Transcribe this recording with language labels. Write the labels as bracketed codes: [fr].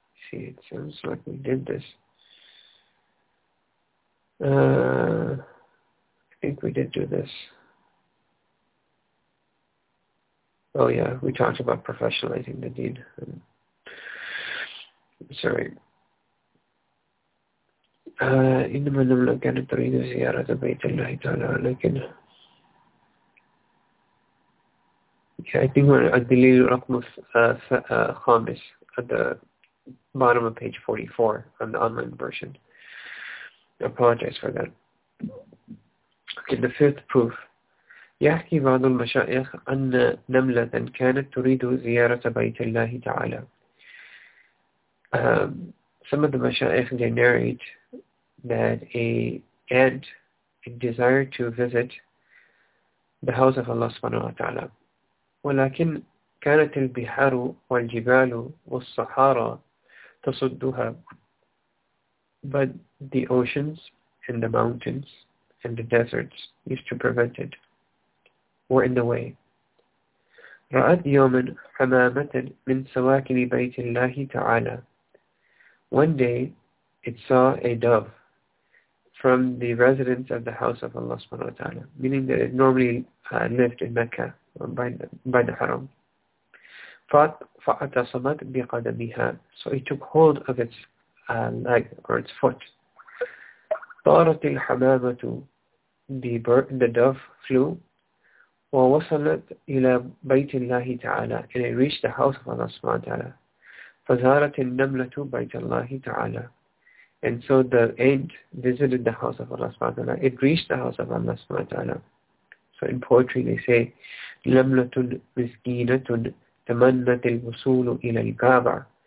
[en] See, it sounds like we did this. I think we did do this. Oh yeah, we talked about professionalizing the deed. Sorry. [ar] إنما لم نكن تريد زيارة بيت الله تعالى لكن. [en] Yeah, I think we're at the [ar] الدليل رقم خامس [en] at the bottom of page 44 on the online version. I apologize for that. Okay, the fifth proof. [ar] يحكي بعض المشايخ أن نملة كانت تريد زيارة بيت الله تعالى. [en] Some of the مشايخ, they narrate that a ant desired to visit the house of Allah سبحانه وتعالى. [ar] ولكن كانت البحار والجبال والصحارى تصدها. [en] But the oceans and the mountains and the deserts used to prevent it, were in the way. [ar] رأت يوما حمامة من سواكن بيت الله تعالى. [en] One day it saw a dove from the residence of the house of Allah subhanahu wa ta'ala, meaning that it normally lived in Mecca by the Haram. [ar] فأتصمت بقدمها. [en] So it took hold of its leg or its foot. [ar] طارت الحمامة. [en] The bird, the dove flew. [ar] ووصلت إلى بيت الله تعالى. [en] And it reached the house of Allah subhanahu wa ta'ala. [ar] فزارت النملة بيت الله تعالى. [en] And so the ant visited the house of Allah subhanahu wa ta'ala. It reached the house of Allah subhanahu wa ta'ala. So in poetry they say, [ar] نملة مسكينة تمنت الوصول إلى الكعبة.